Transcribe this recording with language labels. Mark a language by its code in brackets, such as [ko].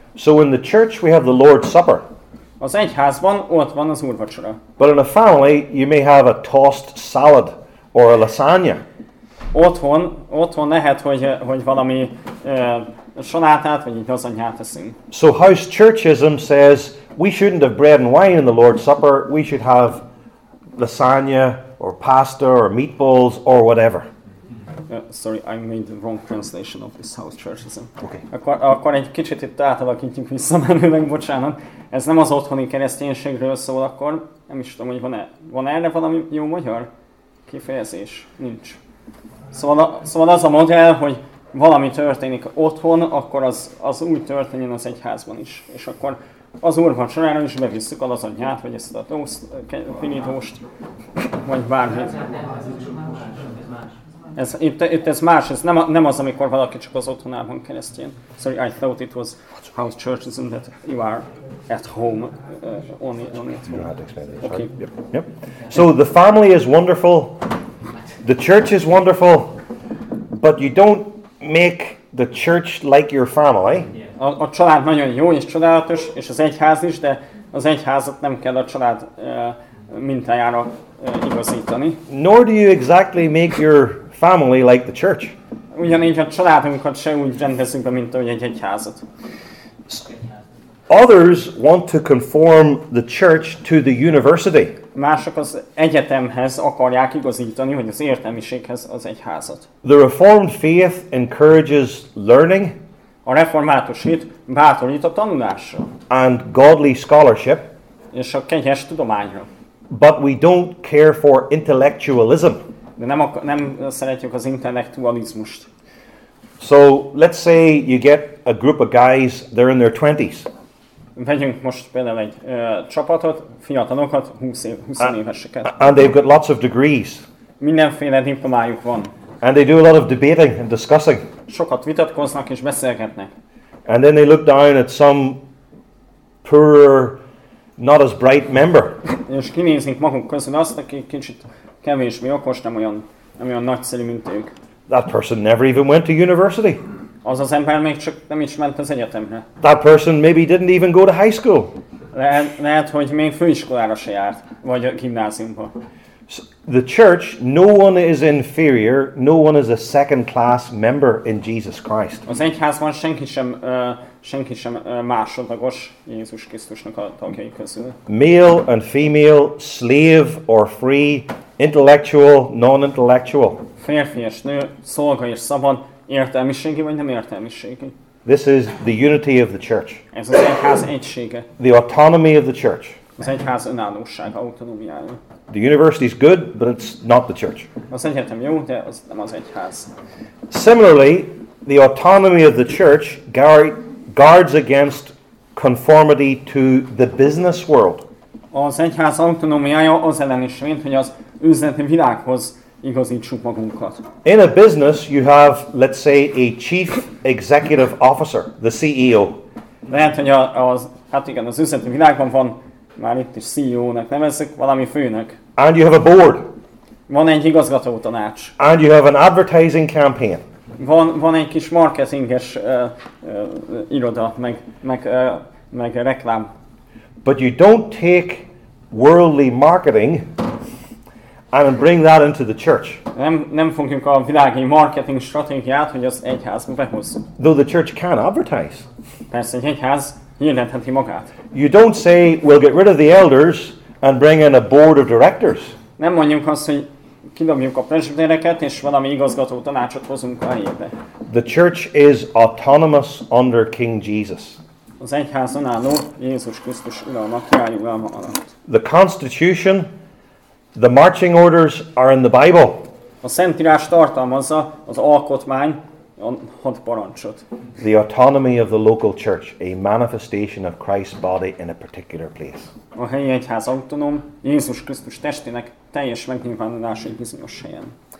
[en] So in the church we have the Lord's Supper. [hu] Az egyházban ott van az úrvacsora. [en] But in a family you may have a tossed salad or a lasagna. [hu] Otthon lehet, hogy valami salátát vagy egy lasagnát eszünk. [en] So house churchism says we shouldn't have bread and wine in the Lord's Supper, we should have lasagna or pasta or meatballs or whatever. Sorry, I made the wrong translation of this house churchism. Okay. [hu] Akkor egy kicsit itt átalakítjuk visszamenőleg, bocsánat. Ez nem az otthoni kereszténységről szól, akkor nem is tudom, hogy van erre valami jó magyar kifejezés? Nincs. Szóval az a modell, hogy valami történik otthon, akkor az úgy történjen az egyházban is. És akkor az úrvacsorára is bevisszük a lasagnát, vagy ezt a finítóst, vagy bármit. Ez más, ez nem az, amikor valaki csak az otthonában keresztjén. [en] Sorry, I thought it was house churchism that you are at home only at home. You had to explain this, okay. Right? Yep. So the family is wonderful, the church is wonderful, but you don't make the church like your family. [hu] A család nagyon jó és csodálatos, és az egyház is, de az egyházat nem kell a család mintájára igazítani. [en] Nor do you exactly make your family like the church. [hu] Ugyanígy a családunkat se úgy rendezünk be, mint ahogy egy egyházat. [en] Others want to conform the church to the university. [hu] Mások az egyetemhez akarják igazítani, vagy az értelmiséghez az egyházat. [en] The reformed faith encourages learning. [hu] A református hit bátorít a tanulásra. [en] And godly scholarship. [hu] És a kegyes tudományra. [en] But we don't care for intellectualism. [hu] De nem szeretjük az intellektualizmust. [en] So, let's say you get a group of guys, they're in their 20s. [hu] Vegyünk most például egy csapatot, fiatalokat, 20 éveseket. [en] And they've got lots of degrees. [hu] Mindenféle diplomájuk van. [en] And they do a lot of debating and discussing. [hu] Sokat vitatkoznak és beszélgetnek. [en] And then they look down at some poorer, not as bright member. [hu] És kinézik magunk közül azt, aki kicsit kevésbé okos, nem olyan nagyszerű, mint ők. [en] That person never even went to university. [hu] Az ember még csak nem is ment az egyetemre. [en] That person maybe didn't even go to high school. [hu] Lehet, hogy még főiskolára se járt, vagy a gimnáziumba. [en] So, the church, no one is inferior, no one is a second class member in Jesus Christ. [hu] Az egyházban senki sem másodlagos Jézus Krisztusnak a tagjai közül. [en] Male and female, slave or free, intellectual, non-intellectual. [hu] Férfi és nő, szolga és szabad, értelmiségi vagy nem értelmiségi. [en] This is the unity of the church. [hu] Ez az egyház egysége. [en] The autonomy of the church. [hu] Az egyház önállósága, autonómiája. [en] The university is good, but it's not the church. [hu] Az egyetem jó, de az nem az egyház. [en] Similarly, the autonomy of the church guards against conformity to the business world. [hu] az egyház autonómiája az ellen is mint, hogy az üzleti világhoz igazítsuk magunkat. [en] In a business you have, let's say, a chief executive officer, the CEO. [hu] Lehet, hogy az üzleti világban van, már itt is CEO-nak nevezzük, valami főnök. [en] And you have a board. [hu] Van egy igazgató tanács. [en] And you have an advertising campaign. [hu] Van egy kis marketinges iroda, meg reklám. [en] But you don't take worldly marketing and bring that into the church. [hu] Nem fogjuk a világi marketing stratégiát, hogy az egyházba behozzuk. [en] Though the church can advertise. [hu] Persze, egy egyház hirdetheti magát. [en] You don't say we'll get rid of the elders and bring in a board of directors. [hu] Nem mondjuk azt, hogy kidobjuk a presbitereket és valami igazgató tanácsot hozunk a helyébe. [en] The church is autonomous under King Jesus. [hu] Az egyház önálló Jézus Krisztus uralma, királyi uralma alatt. [en] The constitution, the marching orders are in the Bible. [hu] A Szentírás tartalmazza az alkotmány, a hat parancsot. [en] The autonomy of the local church, a manifestation of Christ's body in a particular place. [hu] A helyi egyház autonóm Jézus Krisztus testének teljes megnyilvánulása egy bizonyos helyen.